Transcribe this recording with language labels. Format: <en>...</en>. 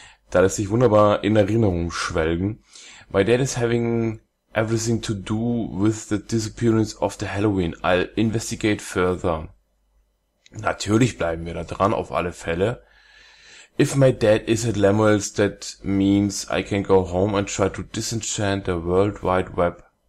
<de>Da lässt sich wunderbar in Erinnerung schwelgen.</de> <en>My dad is having everything to do with the disappearance of the Halloween. I'll investigate further.</en> <de>Natürlich bleiben wir da dran, auf alle Fälle.</de> <en>If my dad is at Lemuel's, that means I can go home and try to disenchant the World Wide Web.</en>